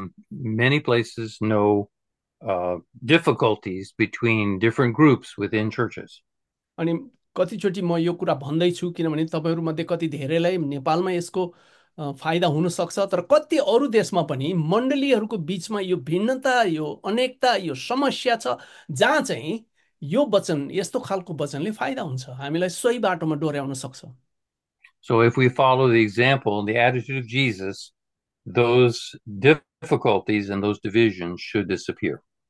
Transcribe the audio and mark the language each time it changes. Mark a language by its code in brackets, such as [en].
[en] Many places know difficulties between different groups within churches. [ne] अनि कतिचोटि म यो कुरा भन्दैछु किनभने तपाईँहरूमध्ये कति धेरैलाई नेपालमा यसको फाइदा हुनसक्छ, तर कति अरू देशमा पनि मण्डलीहरूको बिचमा यो भिन्नता, यो अनेकता, यो समस्या छ, जहाँ चाहिँ यो वचन, यस्तो खालको वचनले फाइदा हुन्छ, हामीलाई सही बाटोमा डोर्याउन सक्छ। [en] So if we follow the example and the attitude of Jesus, those difficulties and those divisions should disappear.